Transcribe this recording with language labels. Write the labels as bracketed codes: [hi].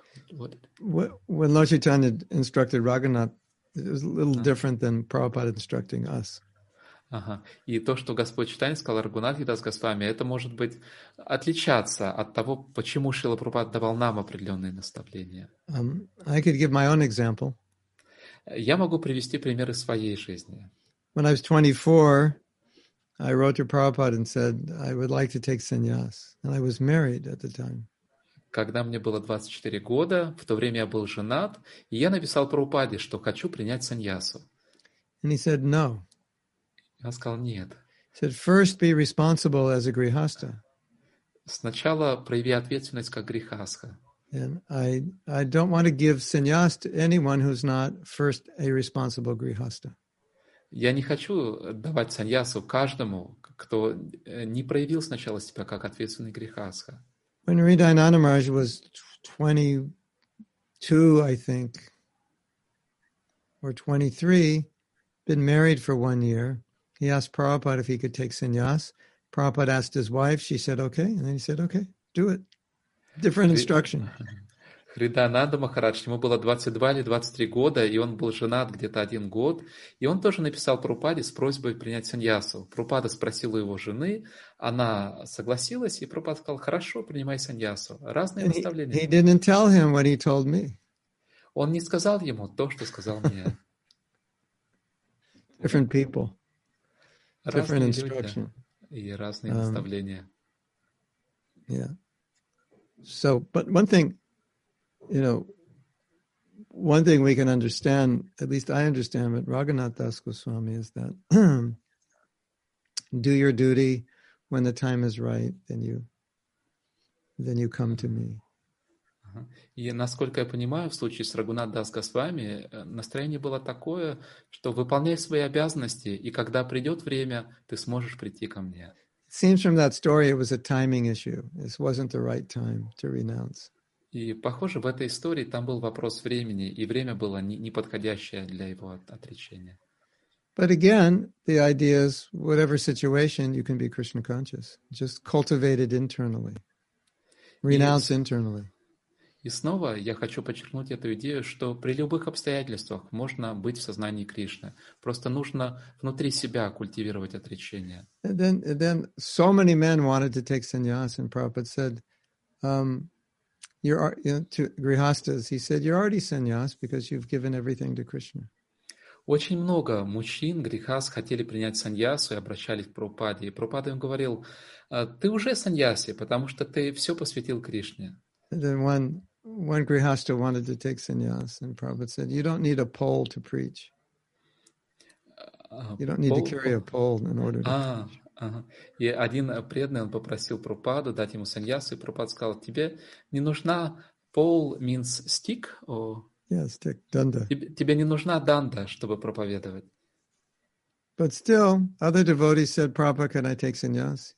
[en] When Lord Chaitanya instructed Raghunath, it was a little different than Prabhupada instructing us. [ru] И то, что Господь Читания сказал Рагунат и Дас Госвами, это может быть отличаться от того, почему Шрила Прабхупада давал нам определенные наставления. [en] I could give my own example. [ru] Я могу привести примеры своей жизни. [en] When I was 24, I wrote to Prabhupada and said, I would like to take sannyas. And I was married at the time. [ru] Когда мне было 24 года, в то время я был женат, и я написал Прабхупаде, что хочу принять саньясу. [en] And he said, no. [ru] Он сказал, нет. [en] He said, first be responsible as a grihastha. [ru] Сначала прояви ответственность как грихастха. [en] And I don't want to give sannyas to anyone who's not first a responsible grihastha. [ru] Я не хочу давать саньясу каждому, кто не проявил сначала себя как ответственный грехасха. [en] When Ridhananda Maharaj was 22, I think, or 23, been married for 1 year, he asked Prabhupada if he could take sannyas. Prabhupada asked his wife, she said, okay, and then he said, okay, do it. Different instruction. [ru] Ридананда Махарадж, ему было 22 или 23 года, и он был женат где-то один год, и он тоже написал Прабхупаде с просьбой принять саньясу. Прабхупада спросил у его жены, она согласилась, и Прабхупада сказал, хорошо, принимай саньясу. Разные наставления. [en] He didn't tell him what he told me. [ru] Он не сказал ему то, что сказал мне. [en] Different people. Different instruction. [ru] И разные наставления. [en] Yeah. So, but one thing, you know, one thing we can understand, at least I understand with Raghunath Das Goswami, is that do your duty when the time is right, then you come to me. [ru] И насколько я понимаю, в случае с Рагунат Дас Госвами, настроение было такое, что выполняй свои обязанности, и когда придет время, ты сможешь прийти ко мне. [en] It seems from that story it was a timing issue. This wasn't the right time to renounce. [ru] И похоже, в этой истории там был вопрос времени, и время было неподходящее для его отречения. [en] But again, the idea is, whatever situation, you can be Krishna conscious. Just cultivate it internally. Renounce internally. [ru] И снова я хочу подчеркнуть эту идею, что при любых обстоятельствах можно быть в сознании Кришны. Просто нужно внутри себя культивировать отречение. [en] And then so many men wanted to take sannyas, and Prabhupada said, to grihasthas, he said, you're already sannyas because you've given everything to Krishna. [ru] Очень много мужчин, грихас, хотели принять саньясу и обращались к Прабхупаде. И Прабхупада им говорил, ты уже саньяси, потому что ты все посвятил Кришне. [en] And then one, one grihastha wanted to take sannyas, and Prabhupada said, you don't need a pole to preach. You don't need to carry a pole in order to preach. [ru] И один преданный, он попросил Прабхупаду дать ему саньясу, и Прабхупада сказал, тебе не нужна [en] pole means stick, stick, danda. [ru] Тебе не нужна данда, чтобы проповедовать. [en] But still, other devotees said, Prabhupada, can I take sannyas?